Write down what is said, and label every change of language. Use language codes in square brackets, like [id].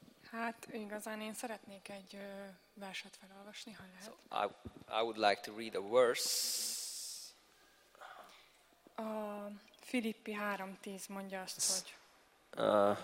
[hu] Hát igazán én szeretnék egy verset felolvasni, ha lehet. [en] So I would like to read a verse. [hu] A Filippi 3:10 mondja azt, hogy